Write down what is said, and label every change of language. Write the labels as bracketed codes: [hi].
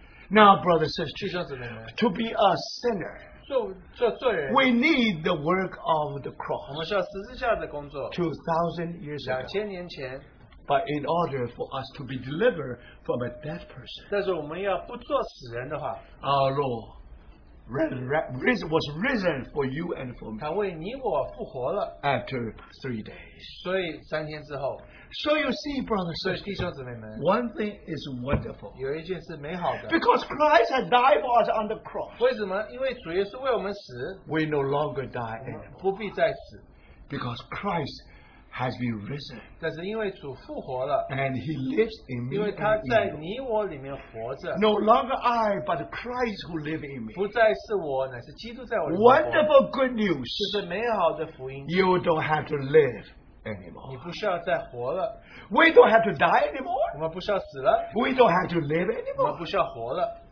[en] now, brothers and sisters, [zh] 弟兄姊妹们, [en] to be a sinner, [zh] 做罪人, [en] we need the work of the cross. [zh] 我们需要十字架的工作, [en] 2,000 years ago, [zh] 2,000年前, [en] but in order for us to be delivered from a dead person, [zh] 但是我们要不做死人的话, [en] our Lord was risen for you and for me, [zh] 他为你我复活了, [en] after 3 days. [zh] 所以三天之后, [en] so you see, brothers and sisters, one thing is wonderful. [zh] 有一件事美好的, [en] because Christ had died for us on the cross. [zh] 为什么?因为主耶稣为我们死, [en] we no longer die anymore. [zh] 不必再死, [en] because Christ has been risen. [zh] 但是因为主复活了, [en] and he lives in me. [zh] 因为他在你我里面活着, [en] no longer I, but Christ who lives in me. [zh] 不再是我, [en] wonderful good news. [zh] 这是美好的福音, [en] you don't have to live anymore. [zh] 你不需要再活了, [en] we don't have to die anymore. [zh] 我们不需要死了, [en] we don't have to live anymore. [zh] 我们不需要活了,